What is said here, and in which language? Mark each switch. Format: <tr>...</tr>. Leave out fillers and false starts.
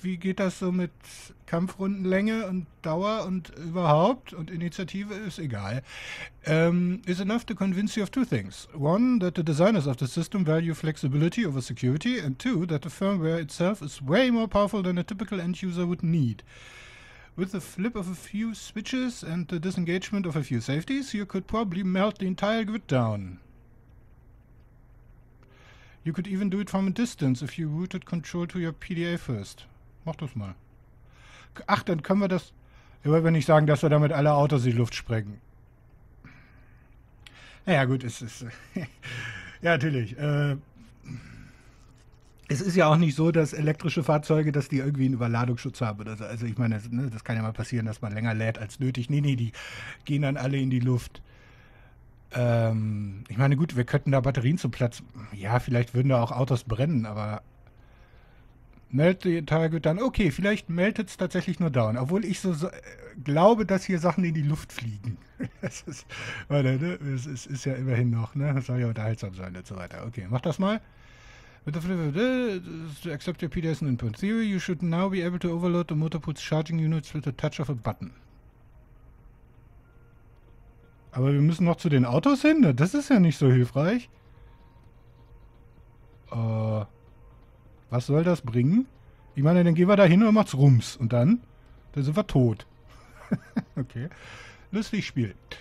<de>Wie geht das so mit Kampfrundenlänge und Dauer und überhaupt? Und Initiative ist egal.</de> <en>Is enough to convince you of two things. One, that the designers of the system value flexibility over security. And two, that the firmware itself is way more powerful than a typical end user would need. With the flip of a few switches and the disengagement of a few safeties, you could probably melt the entire grid down. You could even do it from a distance, if you routed control to your PDA first.</en> <de>Mach das mal. Ach, dann können wir das... Ja, wenn wir nicht sagen, dass wir damit alle Autos in die Luft sprengen. Naja, gut, es ist... ja, natürlich. Es ist ja auch nicht so, dass elektrische Fahrzeuge, dass die irgendwie einen Überladungsschutz haben. Oder so. Also ich meine, das, ne, das kann ja mal passieren, dass man länger lädt als nötig. Nee, nee, die gehen dann alle in die Luft. Ich meine, gut, wir könnten da Batterien zum Platz... Ja, vielleicht würden da auch Autos brennen, aber... Meldet den Tag dann... Okay, vielleicht meldet es tatsächlich nur down. Obwohl ich so glaube, dass hier Sachen in die Luft fliegen. Das ist, warte, ne? Das ist ja immerhin noch, ne? Das soll ja unterhaltsam sein und so weiter. Okay, mach das mal.</de> <en>To accept your PDS input theory, you should now be able to overload the Motorpool's charging units with the touch of a button.</en> <de>Aber wir müssen noch zu den Autos hin. Das ist ja nicht so hilfreich. Was soll das bringen? Ich meine, dann gehen wir da hin und macht's Rums. Und dann? Dann sind wir tot. Okay. Lustig Spiel.</de>